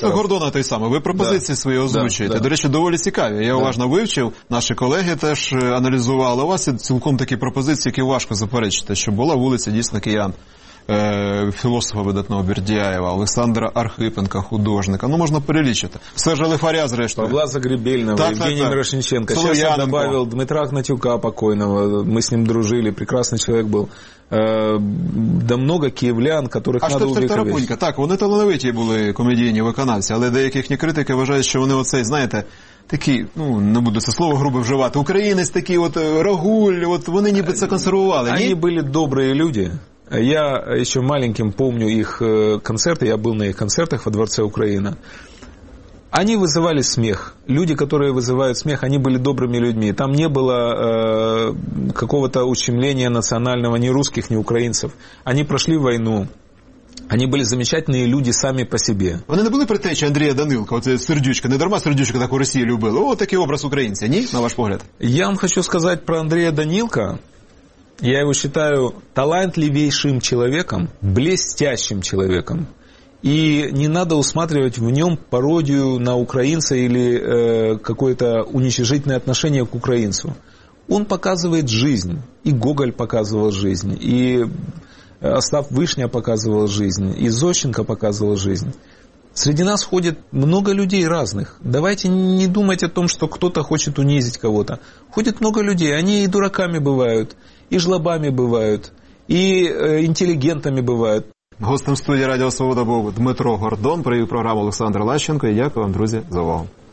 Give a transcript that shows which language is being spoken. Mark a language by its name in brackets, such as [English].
[Ukrainian] Просто Гордона той самий. Ви пропозиції свої озвучуєте. До речі, доволі цікаві. Я уважно вивчив, наші колеги теж аналізували. У вас цілком такі пропозиції, які важко заперечити, що була вулиця дійсно киян філософа видатного Бердяєва, Олександра Архипенка, художника. Ну, можна перелічити. Сержа Лифаря, зрештою. Павла Загребельного, Евгений Мирошниченко. Зараз я добавив Дмитра Гнатюка покойного. Ми з ним дружили. Прекрасний чоловік був. [Russian] Да много киевлян, которых надо увековечить. [Ukrainian] А Тарапунька, так, вони талановиті були комедійні виконавці, але деякі їхні критики вважають, що вони оцей, знаєте, такі, ну, не буду це слово грубо вживати, українець такий, от, Рагуль, от, вони ніби це консервували. Вони були добрі люди. Я ще маленьким помню їх концерти, я був на їх концертах [Russian] во Дворце [Ukrainian] Україна. [Russian] Они вызывали смех. Люди, которые вызывают смех, они были добрыми людьми. Там не было какого-то ущемления национального ни русских, ни украинцев. Они прошли войну. Они были замечательные люди сами по себе. Они не были претечи Андрея Данилка, вот Сердючка. [Ukrainian] Не дарма [Russian] Сердючка так в России любил. Вот такой образ украинца. [Ukrainian] Не, на ваш погляд? [Russian] Я вам хочу сказать про Андрея Данилка. Я его считаю талантливейшим человеком, блестящим человеком. И не надо усматривать в нем пародию на украинца или какое-то уничижительное отношение к украинцу. Он показывает жизнь. И Гоголь показывал жизнь. И Остап Вышня показывал жизнь. И Зощенко показывал жизнь. Среди нас ходит много людей разных. Давайте не думать о том, что кто-то хочет унизить кого-то. Ходит много людей. Они и дураками бывают, и жлобами бывают, и интеллигентами бывают. [Ukrainian] Гостем студії Радіо Свобода був Дмитро Гордон. Провів програму Олександр Лащенко. І дякую вам, друзі, за увагу.